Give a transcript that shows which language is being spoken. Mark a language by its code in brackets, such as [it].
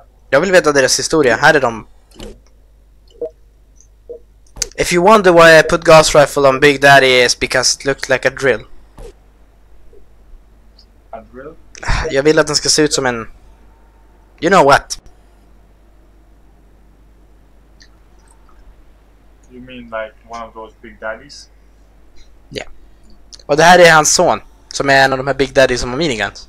[sv] Jag vill veta deras historia, här är de. [en] If you wonder why I put gas rifle on Big Daddy, it's because it looked like a drill. A drill? [sv] Jag vill att den ska se ut som en... [en] You know what? You mean like one of those Big Daddies? Ja. Yeah. [sv] Och det här är hans son, som är en av de här Big Daddies som har miniguns.